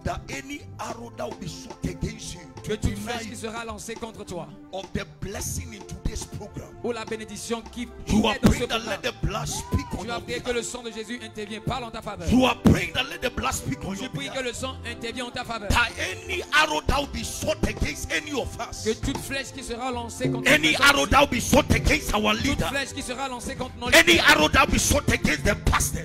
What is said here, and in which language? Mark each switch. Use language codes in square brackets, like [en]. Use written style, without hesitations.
[en] That any arrow that will be shot against you, [fr] que toute flèche qui sera lancée contre toi, [en] of the blessing in today's program, [fr] ou la bénédiction qui [en] you [fr] est dans ce programme, [en] let the blood speak on [fr] tu vas prier que le sang de Jésus intervient, parle en ta faveur. [en] You are praying that let the blood speak on [fr] tu pries que le sang intervient en ta faveur. [en] That any arrow that will be shot against any of us, [fr] que toute flèche qui sera lancée contre [en] any arrow that will be shot against our leader, [fr] toute flèche qui sera lancée contre nos [en] any arrow that will be shot against the pastors,